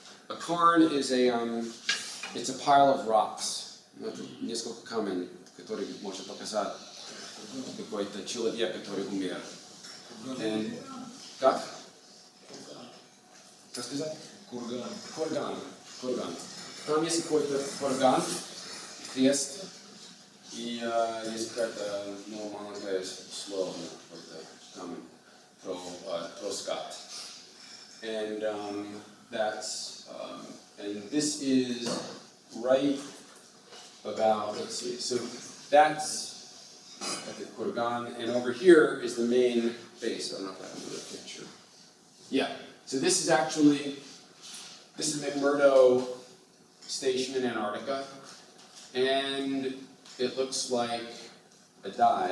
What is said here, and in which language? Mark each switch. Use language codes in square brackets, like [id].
[en] A cairn is it's a pile of rocks. [ru] Несколько камень, которые можно показать какой-то человек, который умер. And как? Как сказать? Курган. Там есть какой-то курган, крест, и есть какая-то, ну, маленькая слово, какой-то камень про Скотт. [en] And that's, and this is right about, let's see, so that's at the Kurgan, and over here is the main base. I don't know if I have a picture. Yeah, so this is actually, this is McMurdo Station in Antarctica, and it looks like a dive.